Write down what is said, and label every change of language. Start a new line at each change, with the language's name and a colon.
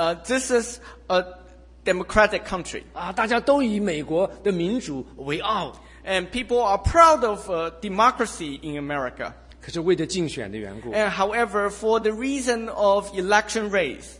English: This is a democratic country.
Chinese: 啊，大家都以美国的民主为傲。
English: And people are proud of democracy in America.
Chinese: 可是为了竞选的缘故。
English: And however, for the reason of election race,